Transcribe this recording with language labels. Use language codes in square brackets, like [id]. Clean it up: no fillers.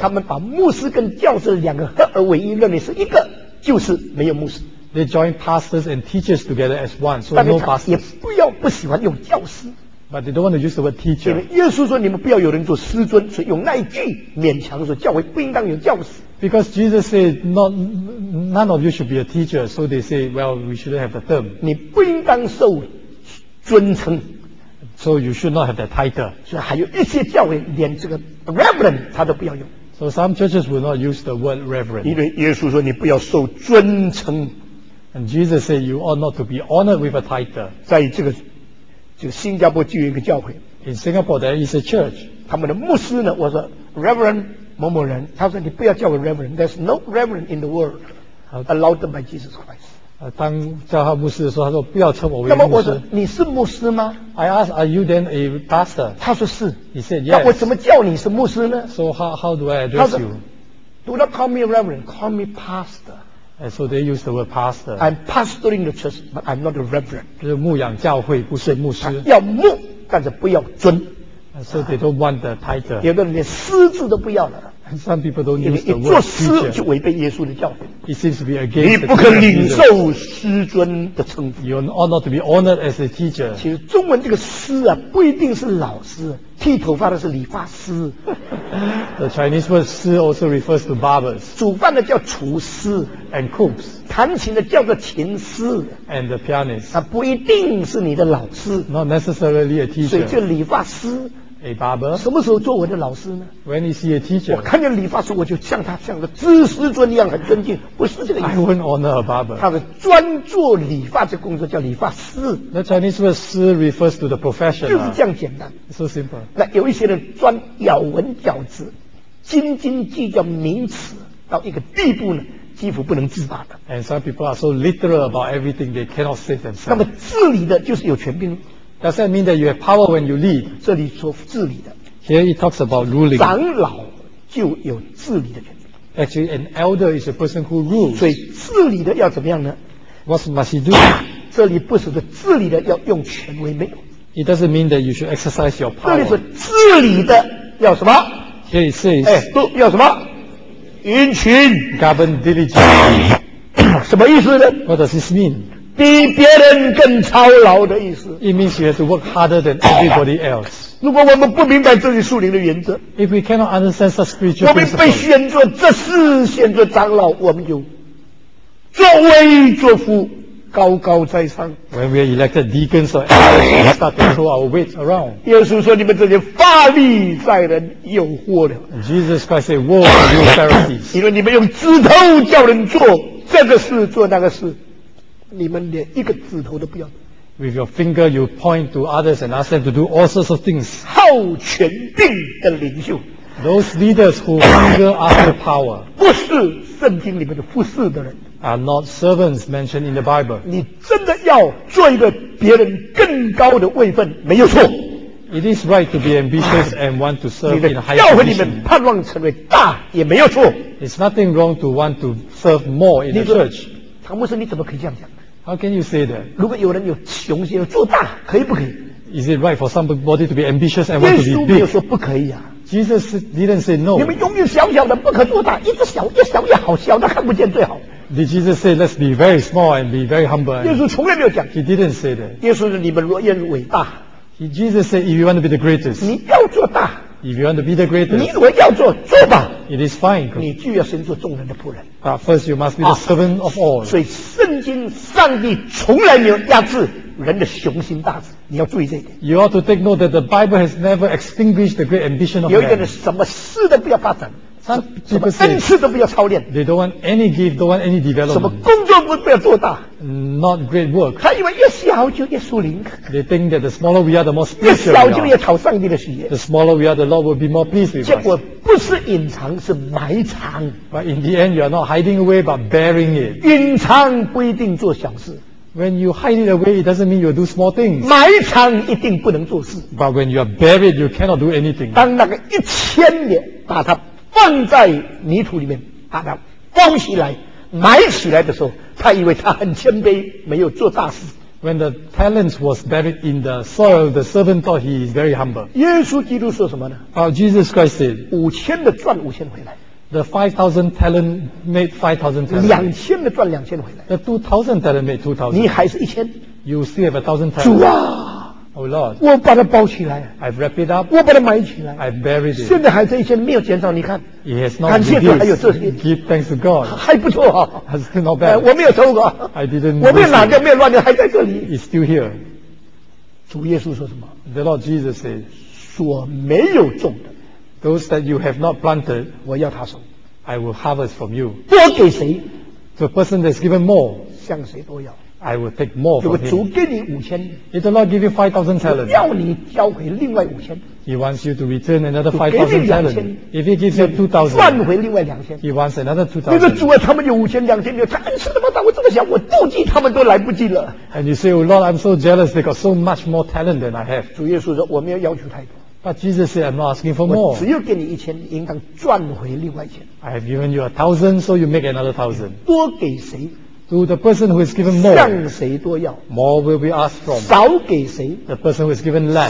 [zh] 他们把牧师跟教师两个合而为一，认为是一个，就是没有牧师。 [en] They join pastors and teachers together as one, so no pastors. [zh] 也不要不喜欢用教师。 [en] But they don't want to use the word teacher. [zh] 因为耶稣说你们不要有人做师尊，所以用那一句勉强说教会不应当有教师。 [en] Because Jesus said, none of you should be a teacher, so they say, well, we shouldn't have the term. [zh] 你不应当受尊称。 [en] So you should not have that title. [zh] 所以还有一些教会连这个 reverend 他都不要用。 [en] So some churches will not use the word reverend. [zh] 因为耶稣说你不要受尊称。 [en] And Jesus said, "You ought not to be honored with a title." [zh] 在这个新加坡就有一个教会。 [en] In Singapore, there is a church. [zh] 他们的牧师呢，我说 [en] Reverend 某某人， [zh] 他说你 [en] 不要叫我 Reverend. There's no Reverend in the world allowed by Jesus Christ. [zh] 当叫他牧师的时候，他说不要称我为牧师。那么我说你是牧师吗 [en] ？I asked, "Are you then a pastor?" [zh] 他说是。 [en] He said, "Yes." [zh] 那我怎么叫你是牧师呢 [en] ？So how do I address you? Do not call me a Reverend. Call me pastor. And so they use the word pastor. I'm pastoring the church, but I'm not a reverend. [zh] 就是牧养教会，不是牧师。要牧，但是不要尊。 [en] And so they don't want the title. [zh] 有的人连师字都不要了。 [en] And some people don't use the word teacher. [zh] 因为一做师就违背耶稣的教诲。 [en] It seems to be against. [zh] 你不肯领受师尊的称呼。 [en] You ought not to be honored as a teacher. [zh] 其实中文这个师啊，不一定是老师，剃头发的是理发师。 [en] The Chinese word 师 also refers to barbers. [zh] 煮饭的叫厨师。 [en] And cooks. [zh] 弹琴的叫做琴师。 [en] And the pianist. [zh] 他不一定是你的老师。 [en] Not necessarily a teacher. [zh] 所以就理发师。 [en] A barber. [zh] 什么时候做我的老师呢 [en] ？When is he a teacher? [zh] 我看见理发师，我就像他像个知师尊一样很尊敬，不是这个意思。 [en] I wouldn't honor a barber. [zh] 他的专做理发这工作叫理发师。 [en] The Chinese word 师 refers to the profession. [zh] 就是这样简单。 [en] So simple. [zh] 那有一些人专咬文嚼字，斤斤计较名词到一个地步呢，几乎不能自拔的。 [en] And some people are so literal about everything they cannot save themselves. [zh] 那么治理的就是有权柄。 [en] Does that mean that you have power when you lead? [zh] 这里说治理的。 [en] Here it talks about ruling. [zh] 长老就有治理的权利。 [en] Actually, an elder is a person who rules. [zh] 所以治理的要怎么样呢 [en] ？What must he do? [zh] 这里不是说治理的要用权威，没有。 [en] It doesn't mean that you should exercise your power. [zh] 这里说治理的要什么 [en] ？Here it says, [zh] 都要什么？殷勤。 [en] Govern diligently. [zh] 什么意思呢 [en] ？What does this mean? [zh] 比别人更操劳的意思。 [en] It means you have to work harder than everybody else. [zh] 如果我们不明白这些属灵的原则 [en] ，If we cannot understand such spiritual principles, [zh] 我们被选作这事，选作长老，我们就作威作福，高高在上。 [en] When we are elected deacons or elders, we start to throw our weight around. [zh] 耶稣说：“你们这些法利赛人有祸了。 [en] ”Jesus Christ said, "Woe to you, Pharisees!" [zh] 因为你们用指头叫人做这个事，做那个事。你们连一个指头都不要。 [en] With your finger, you point to others and ask them to do all sorts of things. [zh] 好权柄的领袖。 [en] Those leaders who hunger after power. [zh] 不是圣经里面的服事的人。 [en] Are not servants mentioned in the Bible. [zh] 你真的要做一个别人更高的位分，没有错。 [en] It is right to be ambitious and want to serve in a higher position. [zh] 教会里面盼望成为大也没有错。 [en] It's nothing wrong to want to serve more in the church. [zh] 唐牧师，你怎么可以这样讲 [en] ？How can you say that？ [zh] 如果有人有雄心要做大，可以不可以 [en] ？Is it right for somebody to be ambitious and want to be big？ [zh] 耶稣没有说不可以啊。 [en] Jesus didn't say no。 [zh] 你们永远小小的，不可做大，一直小，越小越好，小的看不见最好。 [en] Did Jesus say let's be very small and be very humble？ [zh] 耶稣从来没有讲。 [en] He didn't say that。 [zh] 耶稣说你们若愿伟大。 [en] Jesus said if you want to be the greatest， [zh] 你要做大。 [en] If you want to be the greatest， [zh] 你如果要做，做吧。 [en] It is fine。 [zh] 你就要先做众人的仆人。 [en] But first, you must be the servant of all。 [zh] 所以，圣经上帝从来没有压制人的雄心大志。你要注意这一点。 [en] You ought to take note that the Bible has never extinguished the great ambition of man。 [zh] 有一个人什么事都不要发展，什么恩赐都不要操练。 [en] They don't want any gift, don't want any development。 [zh] 什么工作不要做大 [en] ，not great work。 [zh] 他以为越小就越属灵。 [en] They think that the smaller we are, the more spiritual we are。 [zh] 越小就越讨上帝的喜悦。 [en] The smaller we are, the Lord will be more pleased with us。 [zh] 结果不是隐藏，是埋藏。 [en] But in the end, you are not hiding away, but bearing it。 [zh] 隐藏不一定做小事。 [en] When you hide it away, it doesn't mean you'll do small things. [zh] 埋藏一定不能做事。 [en] But when you are buried, you cannot do anything. [zh] 当那个一千年把它放在泥土里面，把它包起来、埋起来的时候，他以为他很谦卑，没有做大事。 [en] When the talent was buried in the soil, the servant thought he is very humble. [zh] 耶稣基督说什么呢 [en] ？Jesus Christ said, [zh] 五千的赚五千回来。 [en] The 5,000 talent made 5,000 talent. [zh] 两千的赚两千回来。 [en] The 2,000 talent made 2,000. [zh] 你还是一千。 [en] You still have 1,000 talent. [zh] 主啊 [en] ，Oh Lord， [zh] 我把它包起来。 [en] I've wrapped it up. [zh] 我把它埋起来。 [en] I've buried it. [zh] 现在还是一千，没有减少。你看 [en] ，It has not [zh] 感谢主，还有这些。 [en] Give thanks to God. [zh] 还不错啊。 [en] Has not bad. [zh] 我没有偷过。 [en] I didn't. [zh] 我没有哪个没有乱掉，还在这里。 [en] It's still here. [zh] 主耶稣说什么 [en] ？The Lord Jesus says， [zh] 所没有种的。 [en] Those that you have not planted, [zh] 我要他收。 [en] I will harvest from you. [zh] 多给谁 [en] ？The person that's given more, [zh] 向谁多要 [en] ？I will take more from him. [zh] 主给你五千 [en] ，He does not give you 5,000 talents. [zh] 要你交回另外五千。 [en] He wants you to return another 5,000 talents. If he gives you 2,000, [zh] 赚回另外两千。 [en] He wants another 2,000. [zh] 你说主啊，他们有五千两千，他恩赐那么大，我这么想，我妒忌他们都来不及了。 [en] And you say, Oh Lord, I'm so jealous. They got so much more talent than I have. [zh] 主耶稣说，我没有要求太多。 [en] But Jesus said, "I'm not asking for more." [zh] 我只有给你一千，应当赚回另外一千。 [en] I have given you 1,000, so you make another 1,000. [zh] 多给谁 [en] ？To the person who is given more. [zh] 向谁多要 [en] ？More will be asked from. [zh] 少给谁 [en] ？The person who is given less.